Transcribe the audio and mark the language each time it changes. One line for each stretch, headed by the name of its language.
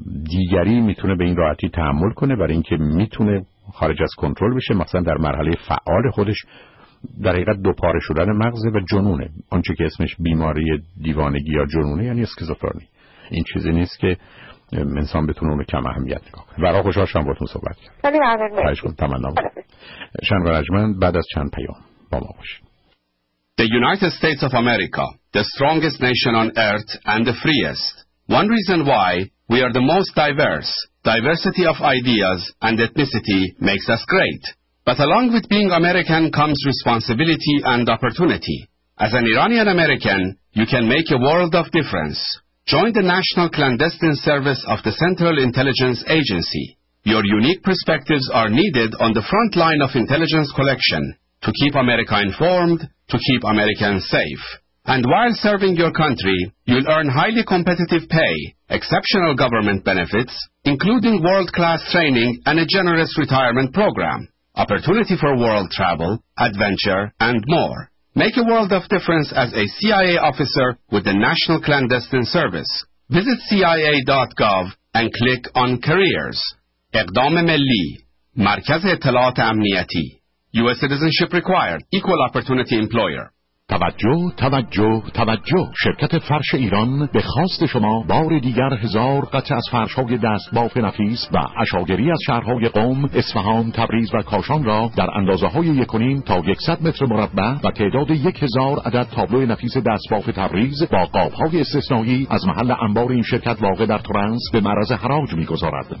Persian: دیگری میتونه به این راحتی تحمل کنه، برای اینکه میتونه خارج از کنترل بشه، مثلا در مرحله فعال خودش در حقیقت دوپاره شدن مغزه و جنونه، آنچه که اسمش بیماری دیوانگی یا جنونه یعنی اسکیزوفرنی. این چیزی نیست که انسان بتونه اونو کم اهمیت نگاه کنه. برای خوشحال شدم باهاتون صحبت کردم. خیلی ممنون. تمنام. شنوا رجمن بعد از چند پیام با ما باشید.
English: The United States of America, the strongest nation on earth and the freest. One reason why we are the most diverse. Diversity of ideas and ethnicity makes us great. But along with being American comes responsibility and opportunity. As an Iranian American, you can make a world of difference. Join the National Clandestine Service of the Central Intelligence Agency. Your unique perspectives are needed on the front line of intelligence collection to keep America informed, to keep Americans safe. And while serving your country, you'll earn highly competitive pay, exceptional government benefits, including world-class training and a generous retirement program, opportunity for world travel, adventure, and more. Make a world of difference as a CIA officer with the National Clandestine Service. Visit CIA.gov and click on Careers.
Persian: اقدام ملی، مرکز اطلاعات امنیتی.
English: U.S. citizenship required. Equal opportunity employer.
Persian: توجه توجه توجه، شرکت فرش ایران به خواست شما بار دیگر 1000 قطعه از فرش‌های دست باف نفیس و عشاگری از شهرهای قم، اصفهان، تبریز و کاشان را در اندازه‌های 1.5 تا 100 متر مربع و تعداد 1000 عدد تابلو نفیس دست باف تبریز با قاب‌های استثنایی از محل انبار این شرکت واقع در ترنس به معرض حراج می‌گذارد.